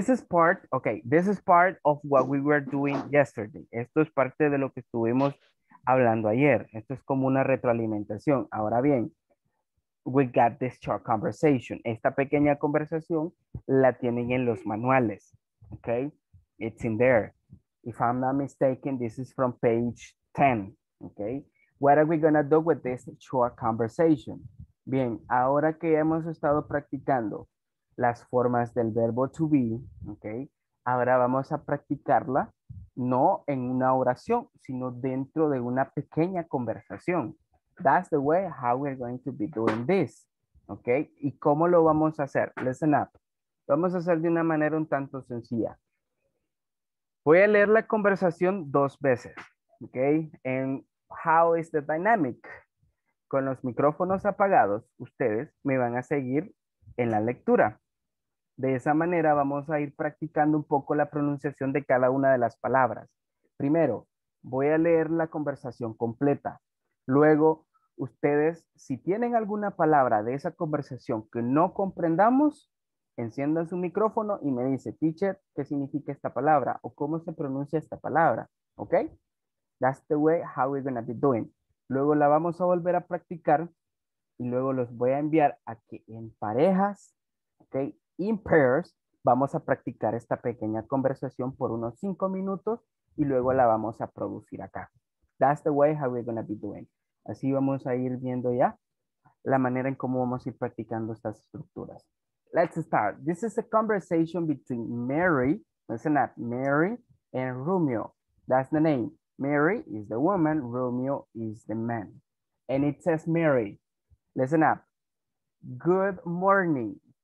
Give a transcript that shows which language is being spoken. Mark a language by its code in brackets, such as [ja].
[en] This is part of what we were doing yesterday. [es] Esto es parte de lo que estuvimos hablando ayer. Esto es como una retroalimentación. Ahora bien, [en] we got this short conversation. [es] Esta pequeña conversación la tienen en los manuales. [en] Okay? It's in there. If I'm not mistaken, this is from page 10. Okay? What are we gonna do with this short conversation? [es] Bien, ahora que hemos estado practicando las formas del verbo to be, okay? Ahora vamos a practicarla no en una oración, sino dentro de una pequeña conversación. [en] That's the way how we're going to be doing this, okay? [es] ¿Y cómo lo vamos a hacer? [en] Listen up. [es] Vamos a hacer de una manera un tanto sencilla. Voy a leer la conversación dos veces, okay? [en] And how is the dynamic? [es] Con los micrófonos apagados, ustedes me van a seguir en la lectura. De esa manera vamos a ir practicando un poco la pronunciación de cada una de las palabras. Primero, voy a leer la conversación completa. Luego, ustedes, si tienen alguna palabra de esa conversación que no comprendamos, enciendan su micrófono y me dice, teacher, ¿qué significa esta palabra? ¿O cómo se pronuncia esta palabra? ¿Ok? [en] That's the way how we're gonna be doing. [es] Luego la vamos a volver a practicar y luego los voy a enviar a que en parejas, ¿ok? [en] In pairs, [es] vamos a practicar esta pequeña conversación por unos 5 minutos y luego la vamos a producir acá. [en] That's the way how we're going to be doing. [es] Así vamos a ir viendo ya la manera en cómo vamos a ir practicando estas estructuras. [en] Let's start. This is a conversation between Mary, listen up, Mary and Romeo. That's the name. Mary is the woman, Romeo is the man. And it says Mary, listen up. Good morning.